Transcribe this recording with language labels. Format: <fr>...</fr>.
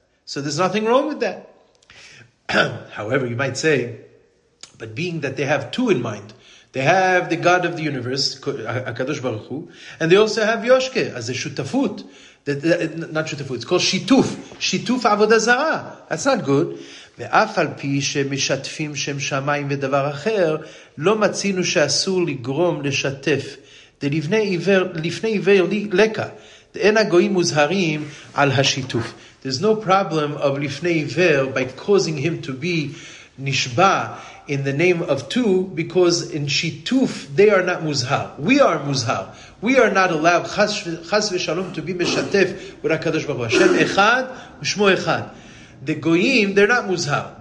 <en>So there's nothing wrong with that. However, you might say, but being that they have two in mind. They have the God of the universe, HaKadosh Baruch Hu, and they also have Yoshke, as a Shutafut. Not Shutafut, it's called Shituf. Shituf Avodah Zarah. That's not good.</en> <he>ואף על פי שמשתפים שם שמיים ודבר אחר, לא מצינו שאסור לגרום לשתף. לפני עיוור לקה, אין הגויים מוזהרים על השיתוף.</he> <en>There's no problem of לפני עיוור by causing him to be נשבע in the name of two, because in Shituf, they are not Muzhar. We are Muzhar. We are not allowed, Chas v'shalom, to be Meshatef with HaKadosh Baruch Hu.</en> <he>Hashem Echad, Shmo Echad.</he> <en>The Goyim, they're not Muzhar.</en>